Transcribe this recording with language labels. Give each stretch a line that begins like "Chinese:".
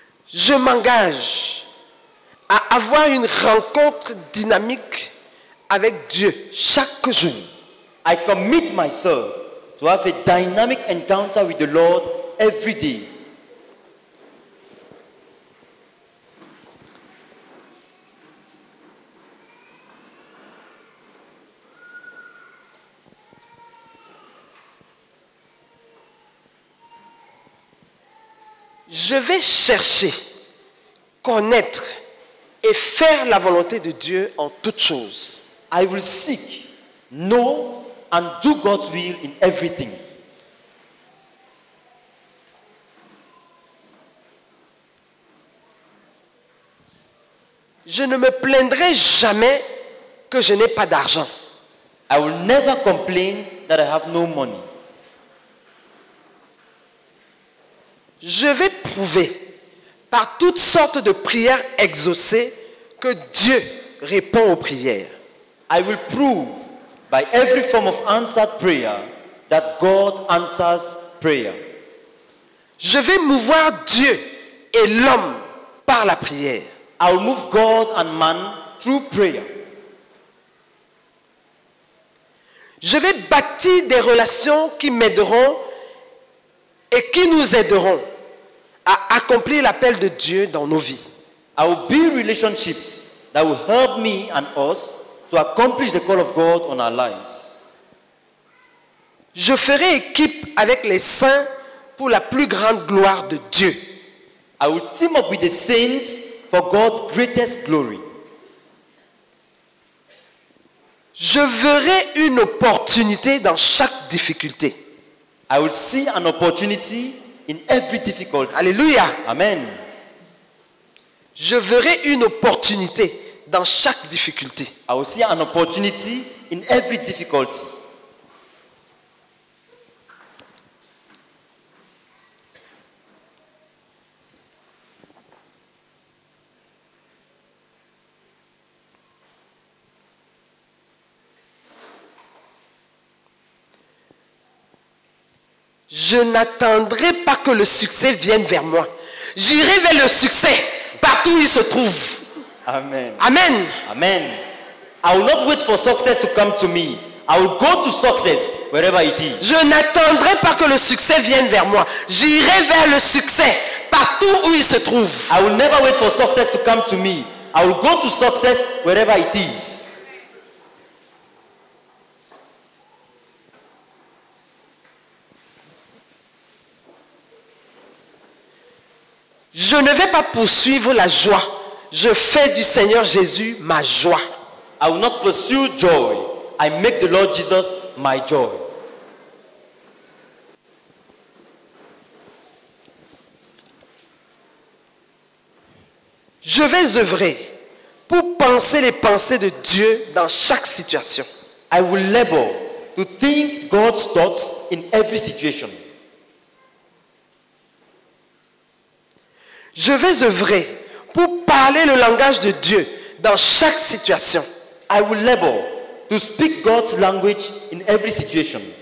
French: Je m'engage à avoir une rencontre dynamique avec Dieu chaque jour.
English: I commit myself to have a dynamic encounter with the Lord every day.
French: Je vais chercher, connaître et faire la volonté de Dieu en toutes choses.
English: I will seek, know and do God's will in everything.
French: Je ne me plaindrai jamais que je n'ai pas d'argent.
English: I will never complain that I have no money.
French: Je vais prouver par toutes sortes de prières exaucées que Dieu répond aux prières.
English: I will prove by every form of answered prayer that God answers prayer.
French: Je vais mouvoir Dieu et l'homme par la prière.
English: I will move God and man through prayer.
French: Je vais bâtir des relations qui m'aideront et qui nous aideront à accomplir l'appel de Dieu dans nos vies.
English: I will build relationships that will help me and us to accomplish the call of God on our lives.
French: Je ferai équipe avec les saints pour la plus grande gloire de Dieu.
English: I will team up with the saints for God's greatest glory.
French: Je verrai une opportunité dans chaque difficulté.
English: I will see an opportunity in every difficulty. Alléluia. Amen.
French: Je verrai une opportunité dans chaque difficulté.
English: I will see an opportunity in every difficulty.
French: Je n'attendrai pas que le succès vienne vers moi. J'irai vers le succès partout où il se trouve. Amen. Amen. Amen.
English: I will not wait for success to come to me. I will go to success wherever it is.
French: Je n'attendrai pas que le succès vienne vers moi. J'irai vers le succès partout où il se trouve.
English: I will never wait for success to come to me. I will go to success wherever it is.
French: Je ne vais pas poursuivre la joie. Je fais du Seigneur Jésus ma joie.
English: I will not pursue joy. I make the Lord Jesus my joy.
French: Je vais œuvrer pour penser les pensées de Dieu dans chaque situation.
English: I will labor to think God's thoughts in every situation.
French: Je vais œuvrer pour parler le langage de Dieu dans chaque situation.
English: I will labor to speak God's language in every situation.